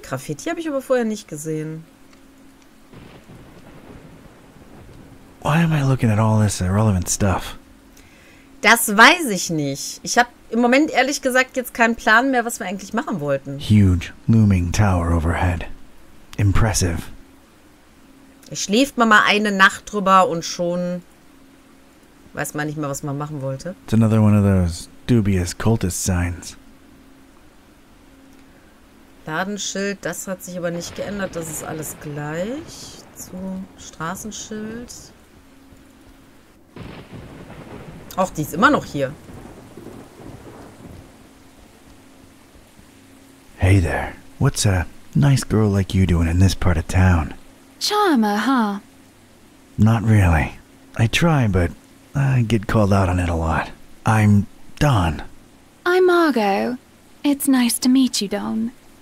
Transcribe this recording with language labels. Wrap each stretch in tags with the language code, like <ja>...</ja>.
<de>Graffiti habe ich aber vorher nicht gesehen.</de> <en>Why am I looking at all this irrelevant stuff?</en> <de>Das weiß ich nicht. Ich habe im Moment ehrlich gesagt jetzt keinen Plan mehr, was wir eigentlich machen wollten.</de> <en>Huge, looming tower overhead. Impressive.</en> <de>Ich schläft man mal eine Nacht drüber und schon weiß man nicht mehr, was man machen wollte.</de> <en>It's another one of those dubious cultist signs.</en> <de>Ladenschild, das hat sich aber nicht geändert. Das ist alles gleich zu Straßenschild. Auch die ist immer noch hier.</de> <en>Hey there. What's a nice girl like you doing in this part of town? Charmer, huh? Not really. I try, but I get called out on it a lot. I'm Don. I'm Margot. It's nice to meet you, Don.</en>